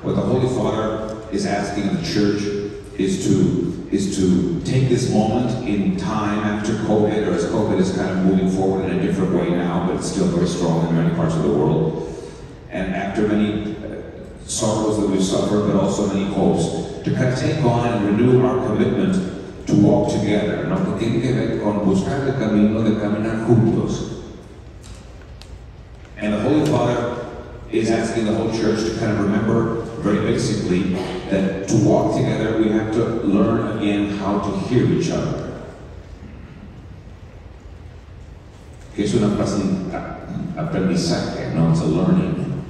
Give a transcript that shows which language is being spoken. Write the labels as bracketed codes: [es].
[en] What the Holy Father is asking the church is to take this moment in time after COVID, or as COVID is kind of moving forward in a different way now, but it's still very strong in many parts of the world. And after many sorrows that we've suffered, but also many hopes, to kind of take on and renew our commitment to walk together. [es] No, que tiene que ver con buscar el camino de caminar juntos. [en] And the Holy Father is asking the whole church to kind of remember very basically that to walk together, we have to learn again how to hear each other. [es] Es un aprendizaje, no, [en] it's a learning.